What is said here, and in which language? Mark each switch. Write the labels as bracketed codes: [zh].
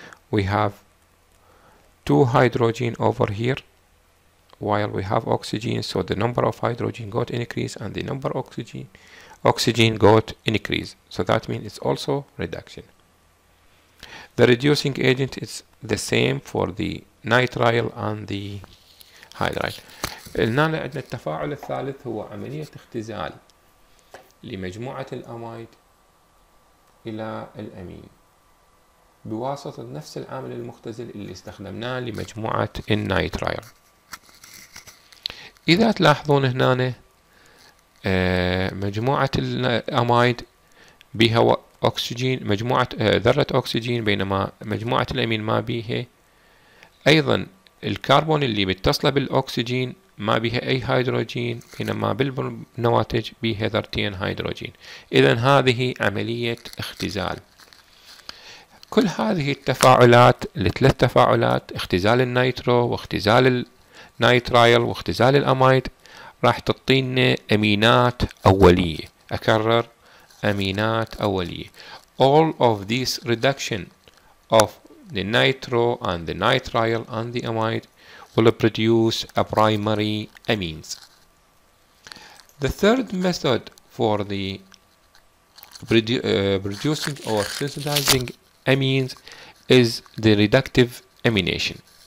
[en] We have two hydrogen over here while we have oxygen, so the number of hydrogen got increase and the number of oxygen got increase, so that means it's also reduction. The reducing agent is the same for the nitrile and the hydride. [ar] قلنا عندنا التفاعل الثالث هو عملية اختزال لمجموعة الأمايد إلى الأمين بواسطة نفس العامل المختزل اللي استخدمناه لمجموعة النيترايل. إذا تلاحظون هنا مجموعة الأمايد بها أكسجين، مجموعة ذرة أكسجين، بينما مجموعة الأمين ما بيها. أيضا الكربون اللي بيتصل بالأكسجين ما بيها أي هيدروجين، بينما بالنواتج بيها ذرتين هيدروجين. إذا هذه عملية اختزال. كل هذه التفاعلات، الثلاث تفاعلات، اختزال النيترو واختزال النيترايل واختزال الأمايد، راح تعطينا أمينات أولية. أكرر، أمينات أولية. [en] All of these reduction of the nitro and the nitrial and the amide will produce a primary amines. The third method for the producing or synthesizing amines is the reductive amination.